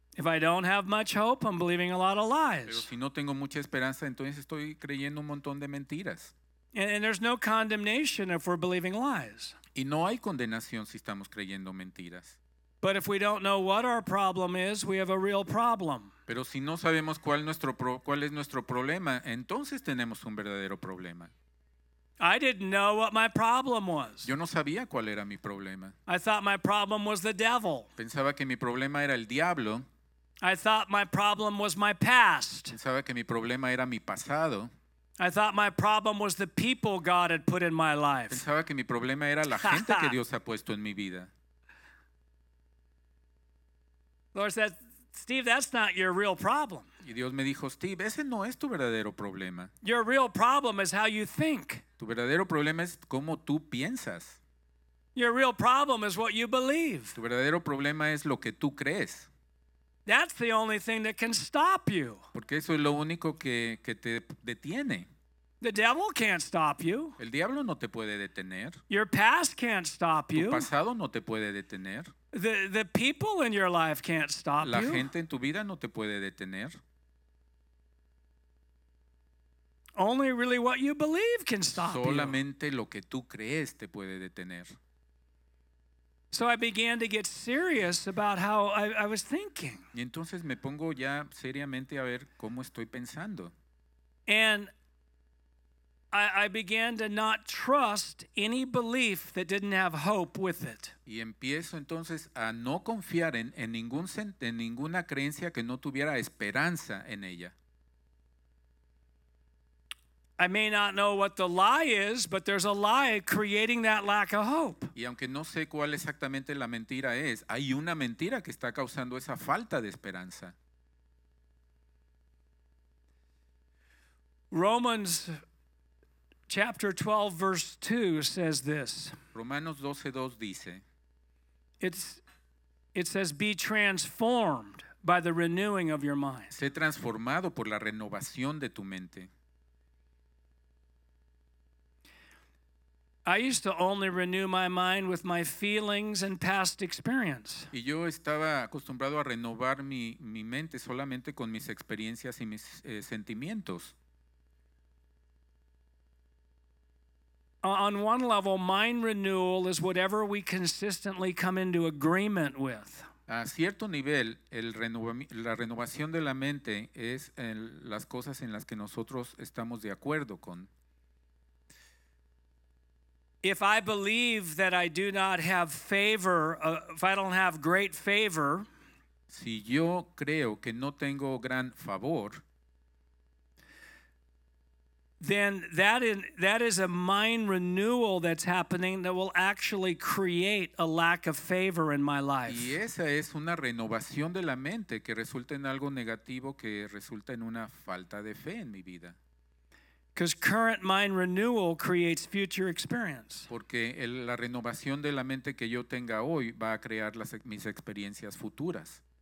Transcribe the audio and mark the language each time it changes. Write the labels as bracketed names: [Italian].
[English] If I don't have much hope, I'm believing a lot of lies. [Spanish] Pero si no tengo mucha esperanza, entonces estoy creyendo un montón de mentiras. [English] And there's no condemnation if we're believing lies. [Spanish] Y no hay condenación si estamos creyendo mentiras. [English] But if we don't know what our problem is, we have a real problem. [Spanish] Pero si no sabemos cuál es nuestro problema, entonces tenemos un verdadero problema. [English] I didn't know what my problem was. [Spanish] Yo no sabía cuál era mi problema. [English] I thought my problem was the devil. [Spanish] Pensaba que mi problema era el diablo. [English] I thought my problem was my past. [Spanish] Pensaba que mi problema era mi pasado. [English] I thought my problem was the people God had put in my life. [Spanish] Pensaba que mi problema era la gente que Dios ha puesto en mi vida. [English] Lord said, Steve, that's not your real problem. [Spanish] Y Dios me dijo, Steve, ese no es tu verdadero problema. [English] Your real problem is how you think. [Spanish] Tu verdadero problema es cómo tú piensas. [English] Your real problem is what you believe. [Spanish] Tu verdadero problema es lo que tú crees. [English] That's the only thing that can stop you. [Spanish] Porque eso es lo único que te detiene. [English] The devil can't stop you. [Spanish] El diablo no te puede detener. [English] Your past can't stop you. [Spanish] Tu pasado no te puede detener. [English] The people in your life can't stop you. [Spanish] La gente en tu vida no te puede detener. [English] Only really what you believe can stop you. [Spanish] Solamente lo que tú crees te puede detener. [English] So I began to get serious about how I was thinking. [Spanish] Y entonces me pongo ya seriamente a ver cómo estoy pensando. [English] And I began to not trust any belief that didn't have hope with it. [Spanish] Y empiezo entonces a no confiar en ninguna creencia que no tuviera esperanza en ella. [English] I may not know what the lie is, but there's a lie creating that lack of hope. [Spanish] Y aunque no sé cuál exactamente la mentira es, hay una mentira que está causando esa falta de esperanza. [English] Romans chapter 12, verse 2 says this. [Spanish] Romanos 12:2 dice. [English] It says, be transformed by the renewing of your mind. [Spanish] Sé transformado por la renovación de tu mente. [English] I used to only renew my mind with my feelings and past experience. [Spanish] Y yo estaba acostumbrado a renovar mi mente solamente con mis experiencias y mis sentimientos. [English] On one level, mind renewal is whatever we consistently come into agreement with. [Spanish] A cierto nivel, la renovación de la mente es las cosas en las que nosotros estamos de acuerdo con. [English] If I believe that I do not have favor, if I don't have great favor, [Spanish] si yo creo que no tengo gran favor, [English] then that is a mind renewal that's happening that will actually create a lack of favor in my life. [Spanish] Y esa es una renovación de la mente que resulta en algo negativo, que resulta en una falta de fe en mi vida. [English] Because current mind renewal creates future experience. [Spanish] Porque la renovación de la mente que yo tenga hoy va a crear mis experiencias futuras.